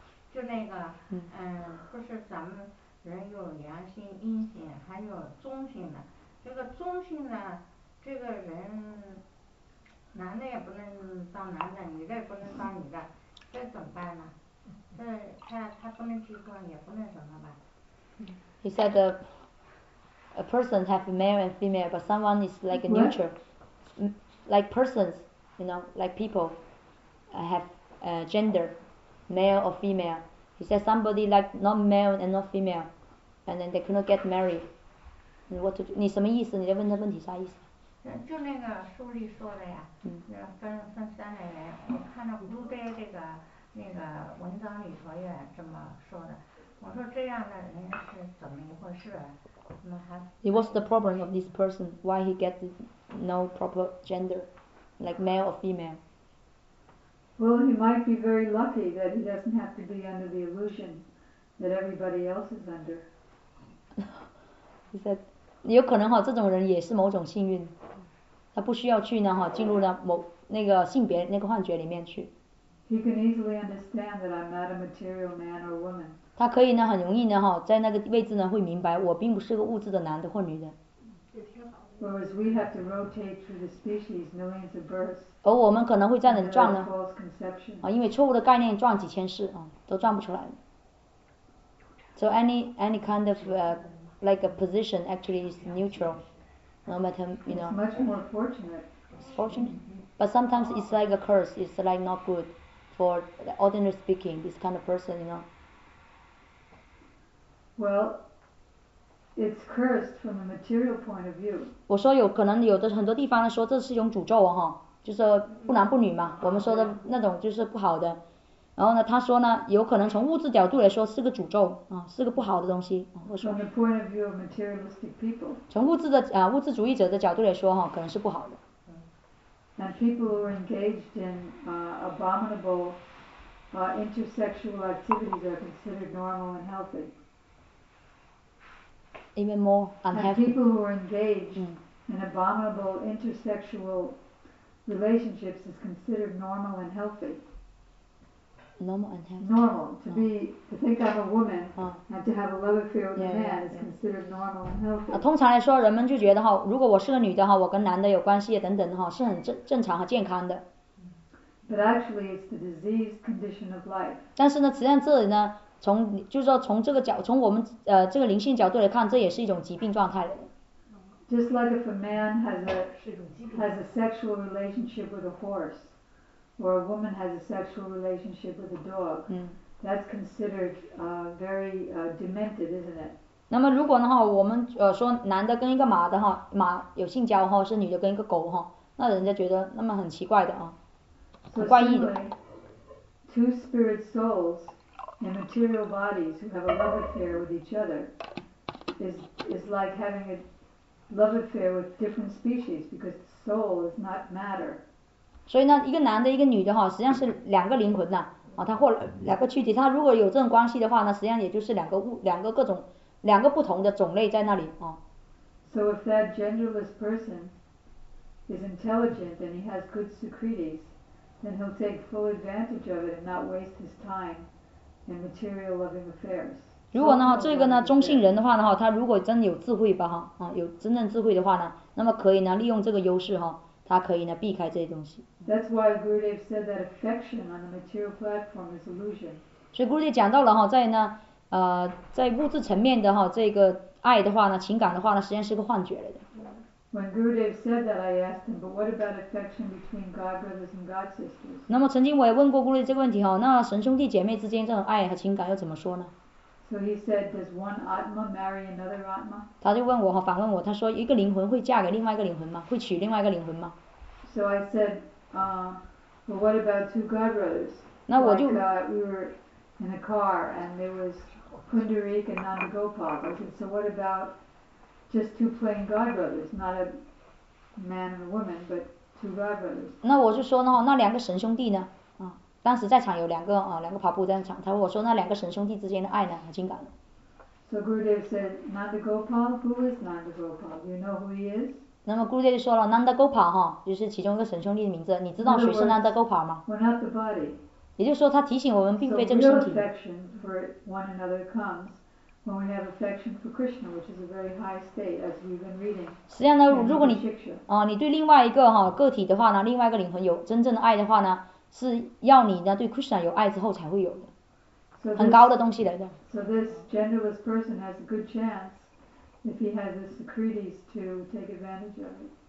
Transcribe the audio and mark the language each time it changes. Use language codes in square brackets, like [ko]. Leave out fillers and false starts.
[zh] 就那个，不是咱们人有良心、阴心，还有忠心的。这个忠心呢，这个人男的也不能当男的，女的也不能当女的，这怎么办呢？这他不能结婚，也不能什么吧？你说的。 [en] A person have male and female, but someone is like a neutral, like persons, you know, like people have a gender, male or female. He said somebody like not male and not female, and then they cannot get married. And what to do? [zh] 你什么意思？你在问他问题啥意思？就那个书里说的呀，分三类人，我看到古代这个那个文章里头也这么说的。我说这样的人是怎么一回事？ [en] It was the problem of this person, why he gets no proper gender. like male or female. Well, he might be very lucky that he doesn't have to be under the illusion that everybody else is under. He said, [zh] 有可能哈，这种人也是某种幸运，他不需要去呢哈，进入了某那个性别那个幻觉里面去。 [en] He can easily understand that I'm not a material man or woman. [zh] 他可以呢，很容易呢哈，在那个位置呢，会明白我并不是个物质的男的或女的。 [en] Whereas we have to rotate through the species millions of births. [zh] 而我们可能会在那里撞呢。 [en] False conception. [zh] 啊，因为错误的概念撞几千世啊，都撞不出来。 [en] So any kind of like a position actually is neutral, no matter, you know. It's much more fortunate. It's fortunate. But sometimes it's like a curse, it's like not good for the ordinary speaking, this kind of person, you know. Well, it's cursed from a material point of view. [zh] 我说有可能有的很多地方说这是一种诅咒哈，就是不男不女嘛，我们说的那种就是不好的。然后呢，他说呢，有可能从物质角度来说是个诅咒啊，是个不好的东西。我说。 [en] From the point of view of materialistic people. [zh] 从物质的啊，物质主义者的角度来说哈，可能是不好的。 [en] And people who are engaged in abominable intersexual activities are considered normal and healthy. Even more unhealthy. And people who are engaged in abominable intersexual relationships is considered normal and healthy. Normal and healthy. Normal to be to think I'm a woman and to have a love affair with a man is considered normal and healthy. [zh] 通常来说，人们就觉得哈，如果我是个女的哈，我跟男的有关系等等哈，是很正常和健康的。 [en] But actually, it's the diseased condition of life. [zh] 但是呢，实际上这里呢，从就是说从这个角，从我们这个灵性角度来看，这也是一种疾病状态。 [en] Just like if a man has a sexual relationship with a horse. Or a woman has a sexual relationship with a dog, that's considered very demented, isn't it? [zh] 那么如果呢哈，我们说男的跟一个马的哈，马有性交哈，是女的跟一个狗哈，那人家觉得那么很奇怪的啊，很怪异的。 [en] Two spirit souls in material bodies who have a love affair with each other is like having a love affair with different species because the soul is not matter. [zh] 所以呢，一个男的，一个女的哈，实际上是两个灵魂呐，啊，他或两个躯体，他如果有这种关系的话呢，实际上也就是两个不同的种类在那里啊。 [en] So if that genderless person is intelligent and he has good secretes, then he'll take full advantage of it and not waste his time in material loving affairs. [zh] 如果呢，这个呢，中性人的话呢，哈，他如果真有智慧吧，哈，啊，有真正智慧的话呢，那么可以呢，利用这个优势哈。他可以呢避开这些东西。 [en] That's why Gurudev said that affection on the material platform is illusion. [zh] 所以 Gurudev 讲到了哈，在呢在物质层面的哈这个爱的话呢，情感的话呢，实际上是个幻觉来的。 [en] When Gurudev said that, I asked him, but what about affection between God brothers and God sisters? [zh] 那么曾经我也问过 Gurudev 这个问题哈，那神兄弟姐妹之间这种爱和情感要怎么说呢？ [en] So he said, does one atma marry another atma? [zh] 他就问我哈，反问我，他说一个灵魂会嫁给另外一个灵魂吗？会娶另外一个灵魂吗？ [en] So I said, well, what about two God brothers? [zh] 那我就 [en] like, we were in a car and there was Pundarik and Nandagopal. I said, so what about just two plain God brothers, not a man and a woman, but two God brothers? [zh] 那我就说呢，那两个神兄弟呢？当时在场有两个啊，两个跑步在场。他问我说：“那两个神兄弟之间的爱呢？和情感呢？” [en] So Gurudev said, "Nandagopal, who is Nandagopal? You know who he is?" [zh] 那么 Gurudev 就说了 ，Nandagopal 哈，就是其中一个神兄弟的名字。你知道谁是 Nandagopal 吗 [en] ？We're not the body. [zh] 也就是说，他提醒我们，并非这个身体。 [en] So real affection for one another comes when we have affection for Krishna, which is a very high state, as we've been reading. [zh] 实际上呢，如果你你对另外一个哈个体的话呢，另外一个灵魂有真正的爱的话呢？是要你呢对 Krishna 有爱之后才会有的 [en] so this, [zh] 很高的东西来的 [en] so this genderless person has a good chance if he has the secretes to take advantage of it